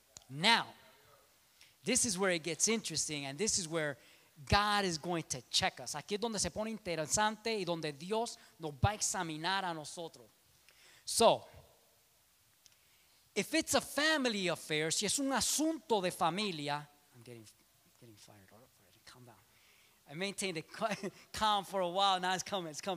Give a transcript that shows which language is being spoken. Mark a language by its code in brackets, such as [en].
[en] Now, this is where it gets interesting, and this is where God is going to check us. [es] Aquí es donde se pone interesante y donde Dios nos va a examinar a nosotros. [en] So, if it's a family affair, [es] si es un asunto de familia, [en] I'm getting fired up for it. Calm down. I maintained it calm for a while. Now it's coming.